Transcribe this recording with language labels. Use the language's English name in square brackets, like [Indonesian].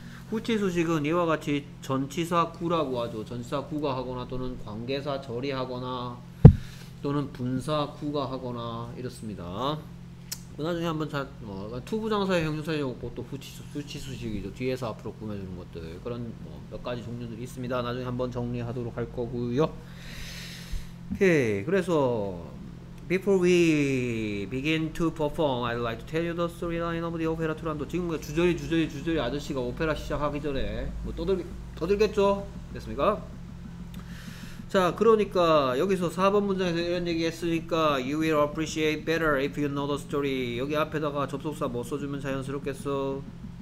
[Korean] 후치 수식은 이와 같이 전치사 구라고 하죠. 전치사 구가 하거나 또는 관계사 절이 하거나 또는 분사 구가 하거나 이렇습니다. 나중에 한번 투부장사의 형용사적 것도 후치 수식이죠. 뒤에서 앞으로 꾸며주는 것들 그런 뭐 몇 가지 종류들이 있습니다. 나중에 한번 정리하도록 할 거고요. 오케이. 그래서 [English] before we begin to perform, I'd like to tell you the storyline of the opera Turandot. [Korean] 지금 주저리 아저씨가 오페라 시작하기 전에 뭐 떠들겠죠? 됐습니까? 자 그러니까 여기서 4번 문장에서 이런 얘기 했으니까 [English] You will appreciate better if you know the story. [Korean] 여기 앞에다가 접속사 뭐 써주면 자연스럽겠어?